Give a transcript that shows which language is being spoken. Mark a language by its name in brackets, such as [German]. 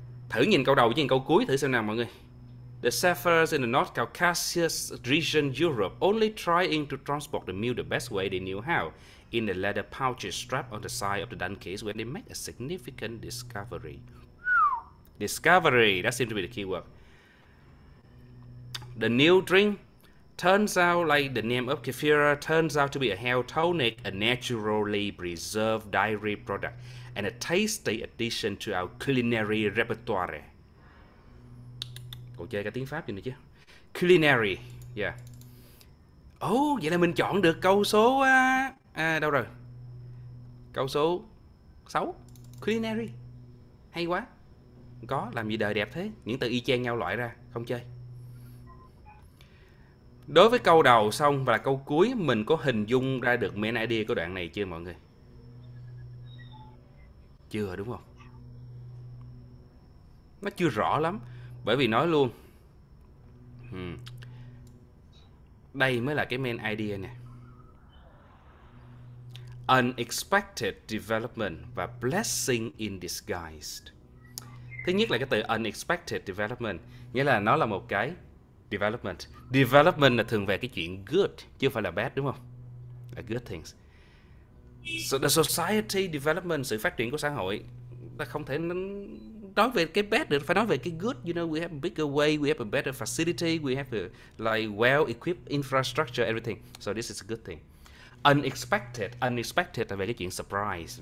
[Vietnamese] Thử nhìn câu đầu với nhìn câu cuối thử xem nào mọi người. [English] The surfers in the North Caucasus region Europe only trying to transport the meal the best way they knew how. In the leather pouches strapped on the side of the dun case when they make a significant discovery. Discovery, that seems to be the key word. The new drink turns out, like the name of Kefira, turns out to be a health tonic, a naturally preserved dairy product, and a tasty addition to our culinary repertoire. [Vietnamese] Cô chơi cái tiếng Pháp gì nữa chứ? Culinary, yeah. Oh, vậy là mình chọn được câu số... đâu rồi? Câu số 6. Culinary. Hay quá. Có, làm gì đời đẹp thế. Những từ y chang nhau loại ra, không chơi. Đối với câu đầu xong và là câu cuối, mình có hình dung ra được main idea của đoạn này chưa mọi người? Chưa đúng không? Nó chưa rõ lắm. Bởi vì nói luôn, đây mới là cái main idea nè. [English] Unexpected development và blessing in disguise. [Vietnamese] Thứ nhất là cái từ unexpected development, nghĩa là nó là một cái development. Development là thường về cái chuyện good, chứ phải là bad, đúng không? Là good things. [English] So the society development, [Vietnamese] sự phát triển của xã hội, ta không thể nói về cái bad được, phải nói về cái good. [English] You know, we have a bigger way, we have a better facility, we have a like well-equipped infrastructure, everything. So this is a good thing. [Vietnamese] Unexpected, unexpected là về cái chuyện surprise.